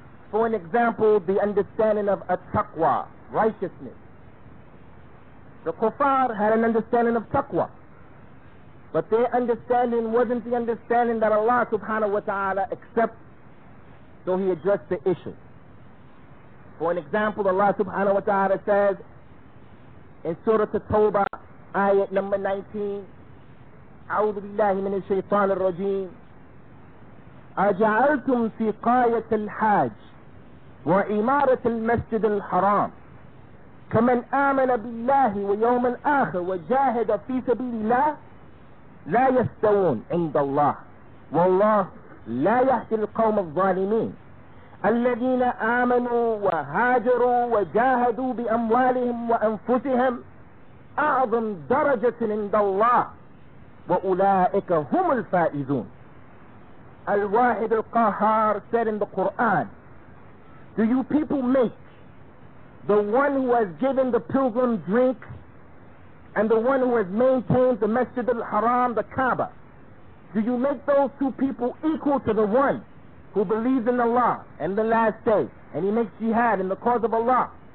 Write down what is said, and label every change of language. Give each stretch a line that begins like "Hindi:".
English: For an example, the understanding of at-taqwa, righteousness. The kuffar had an understanding of taqwa, but their understanding wasn't the understanding that Allah subhanahu wa ta'ala accepts, so he addressed the issue. For an example, Allah subhanahu wa ta'ala says in Surah At-Tawbah, ayat number 19,
Arabic: أعوذ بالله من الشيطان الرجيم أجعلتم سقاية الحاج وعمارة المسجد الحرام كمن آمن بالله ويوم الآخر وجاهد في سبيل الله لا يستوون عند الله والله لا يهدي القوم الظالمين الذين آمنوا وهاجروا وجاهدوا بأموالهم وأنفسهم أعظم درجة عند الله وأولئك هم الفائزون.
English: الواحد القهار said in the Quran, do you people make the one who has given the pilgrim drink and the one who has maintained the Masjid al-Haram, the Kaaba, do you make those two people equal to the one who believes in Allah and the last day, and he makes jihad in the cause of Allah?